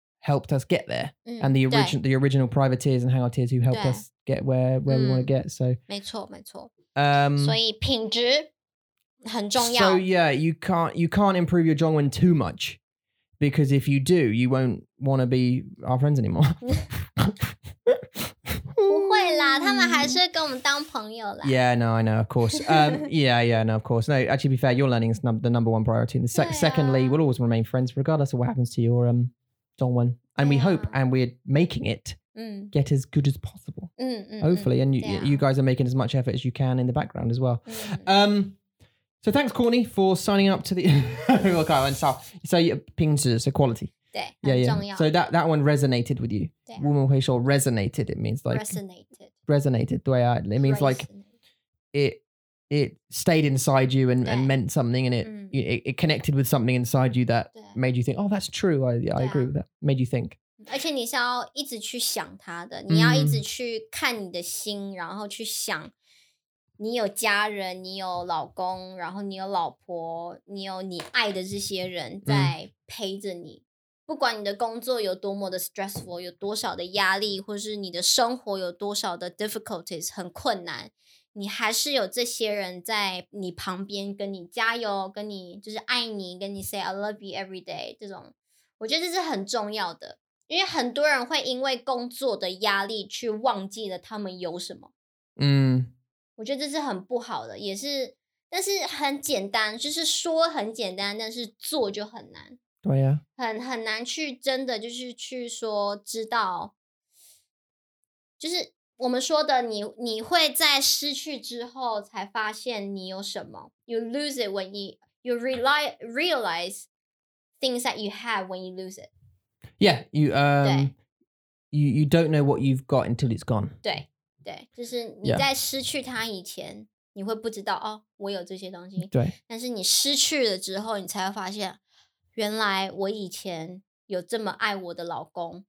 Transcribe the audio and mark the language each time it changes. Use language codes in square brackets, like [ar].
[en] helped us get there and the original privateers and hangouteers who helped us get where we want to get. So, [zh] 没错没错。所以品质很重要。 [en] So yeah, you can't improve your Zhongwen too much because if you do, you won't want to be our friends anymore. [zh] 不会啦，他们还是跟我们当朋友啦。 [en] Yeah, no, I know, of course. No, actually, be fair, your learning is the number one priority. And secondly, we'll always remain friends regardless of what happens to your... Zhongwen. And we hope and we're making it get as good as possible. Hopefully. And you guys are making as much effort as you can in the background as well. So thanks, Courtney, for signing up to the... okay, and so your 品質, so quality. Yeah. So that one resonated with you. Woman Hui Shou resonated. It means like... Resonated. It means resonated. Like it stayed inside you and meant something and it connected with something inside you that made you think, oh, that's true. I agree with that. Made you think. [zh] 而且你是要一直去想他的，你要一直去看你的心，然后去想你有家人，你有老公，然后你有老婆，你有你爱的这些人在陪着你。不管你的工作有多么的 stressful, 有多少的压力，或是你的生活有多少的 difficulties, 很困难。你还是有这些人在你旁边跟你加油，跟你就是爱你，跟你 [en] say I love you every day [zh] 这种，我觉得这是很重要的，因为很多人会因为工作的压力去忘记了他们有什么。嗯，我觉得这是很不好的，也是，但是很简单，就是说很简单，但是做就很难。对呀，很难去真的就是去说知道，就是我们说的你会在失去之后才发现你有什么。 [en] You lose it when you realize things that you have when you lose it. Yeah, you don't know what you've got until it's gone. [zh] 对。对，就是你在失去它以前、yeah. 你会不知道哦，我有这些东西。对，但是你失去了之后你才会发现原来我以前有这么爱我的老公、